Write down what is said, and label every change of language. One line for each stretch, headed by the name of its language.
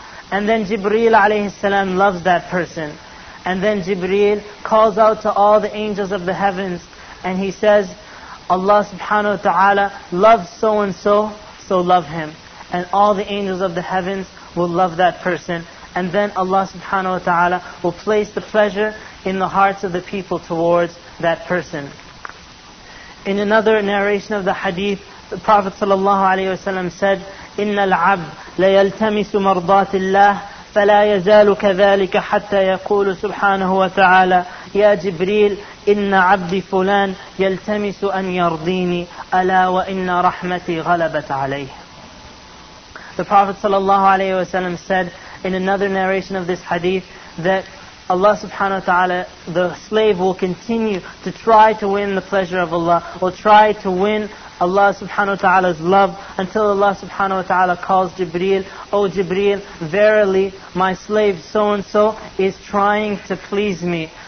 English: And then Jibreel alayhi salam loves that person. And then Jibreel calls out to all the angels of the heavens and he says, "Allah subhanahu wa ta'ala loves so and so, so love him." And all the angels of the heavens will love that person. And then Allah subhanahu wa ta'ala will place the pleasure in the hearts of the people towards that person. In another narration of the hadith, the Prophet sallallahu alayhi wa sallam said,
Arabic: "Innal abd لَيَلْتَمِسُ مَرْضَاتِ اللَّهِ فَلَا يَزَالُ كَذَلِكَ حَتَّى يَقُولُ سُبْحَانَهُ وَتَعَالَى يَا جِبْرِيلُ إِنَّ عَبْدِ فُلَانَ يَلْتَمِسُ أَنْ يَرْضِينِ أَلَا وَإِنَّ رَحْمَتِي غَلَبَتْ عَلَيْهِ."
English: The Prophet sallallahu alayhi wa sallam said in another narration of this hadith that Allah subhanahu wa ta'ala, the slave will continue to try to win the pleasure of Allah, or try to win Allah subhanahu wa ta'ala's love, until Allah subhanahu wa ta'ala calls Jibreel, "O Jibreel, verily my slave so and so is trying to please me.